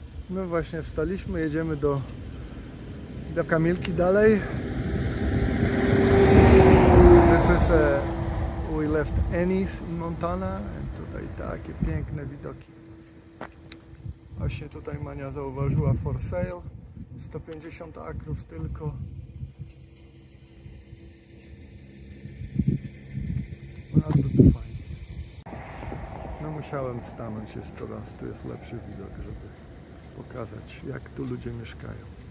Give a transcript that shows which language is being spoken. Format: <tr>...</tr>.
<pl>My właśnie wstaliśmy, jedziemy do Kamilki dalej.</pl> <en>This is we left Ennis in Montana.</en> <pl>And tutaj takie piękne widoki. Właśnie tutaj Mania zauważyła</pl> <en>for sale.</en> <pl>150 akrów tylko. Bardzo to fajnie. No musiałem stanąć jeszcze raz, tu jest lepszy widok, żeby pokazać, jak tu ludzie mieszkają.</pl>